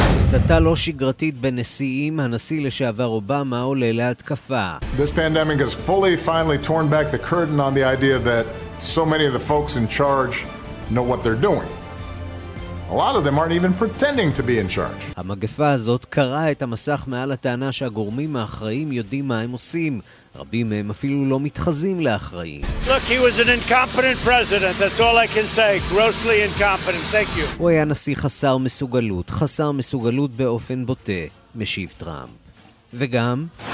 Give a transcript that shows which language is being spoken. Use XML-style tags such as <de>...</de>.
<he>קטטה לא שגרתית בנשיאים, הנשיא לשעבר אובמה עולה להתקפה.</he> <en>This pandemic has fully finally torn back the curtain on the idea that so many of the folks in charge know what they're doing. A lot of them aren't even pretending to be in charge.</en> <he>המגפה הזאת קרה את המסך מעל הטענה שהגורמים האחראים יודעים מה הם עושים. רבים מהם אפילו לא מתחזים לאחראים.</he> <en>Look, he was an incompetent president. That's all I can say. Grossly incompetent. Thank you.</en> <he>הוא היה נשיא חסר מסוגלות. חסר מסוגלות באופן בוטה, משיב טראמפ. וגם...</he>